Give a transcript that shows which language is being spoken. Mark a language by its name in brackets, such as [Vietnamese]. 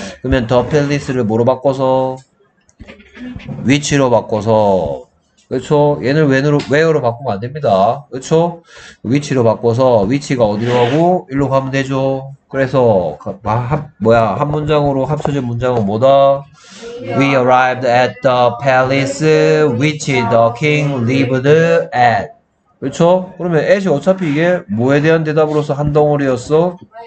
[Korean] 그러면 더 팰리스를 뭐로 바꿔서 위치로 바꿔서 그렇죠? 얘는 웨어로 바꾸면 안 됩니다. 그렇죠? 위치로 바꿔서 위치가 어디로 가고 일로 가면 되죠. 그래서 뭐야 한 문장으로 합쳐진 문장은 뭐다? [English] We arrived at the palace which the king lived at. [Korean] 그렇죠? 그러면 at이 어차피 이게 뭐에 대한 대답으로서 한 덩어리였어?